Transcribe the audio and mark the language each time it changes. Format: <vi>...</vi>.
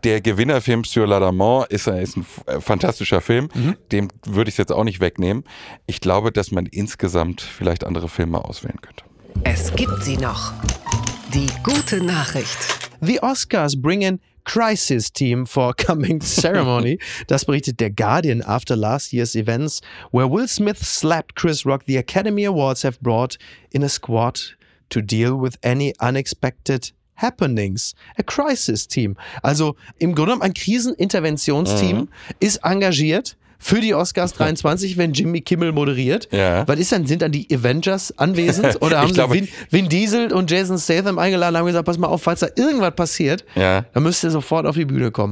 <de>Der Gewinnerfilm Sur la Daman ist ein fantastischer Film, dem würde ich es jetzt auch nicht wegnehmen. Ich glaube, dass man insgesamt vielleicht andere Filme auswählen könnte. Es gibt sie noch. Die gute Nachricht.</de> <en>The Oscars bringen Crisis Team for Coming Ceremony.</en> <de>Das berichtet der Guardian.</de> <en>After last year's events, where Will Smith slapped Chris Rock, the Academy Awards have brought in a squad to deal with any unexpected happenings. A Crisis Team.</en> <de>Also im Grunde genommen ein Kriseninterventionsteam ist engagiert für die Oscars 23, wenn Jimmy Kimmel moderiert. Ja. Was ist denn? Sind dann die Avengers anwesend? Oder haben sie Vin Diesel und Jason Statham eingeladen und haben gesagt, pass mal auf, falls da irgendwas passiert, dann müsst ihr sofort auf die Bühne kommen.</de>